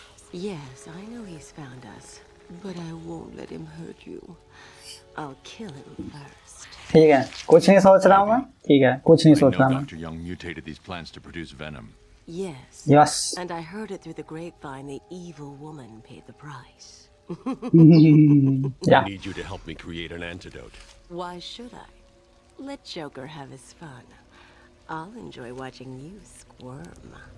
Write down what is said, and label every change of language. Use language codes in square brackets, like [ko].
[en] Yes, I know he's found us, but I won't let him hurt you. I'll kill him first. [hi] ठीक है, कुछ नहीं सोच रहा हूँ मैं. ठीक है, कुछ नहीं सोच रहा हूँ मैं. [en] Dr. Young mutated these plants to produce venom. Yes. Yes. And I heard it through the grapevine. The evil woman paid the price. Yeah. I need you to help me create an antidote. Why should I? Let Joker have his fun. I'll enjoy watching you squirm.